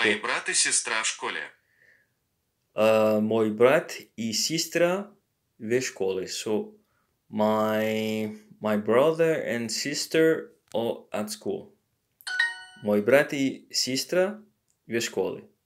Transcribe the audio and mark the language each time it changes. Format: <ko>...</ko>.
<ru>Мои брат и сестра в школе. Мой брат и сестра в школе.</ru> <en>So my brother and sister are at school.</en> <ru>Мой брат и сестра в школе.</ru>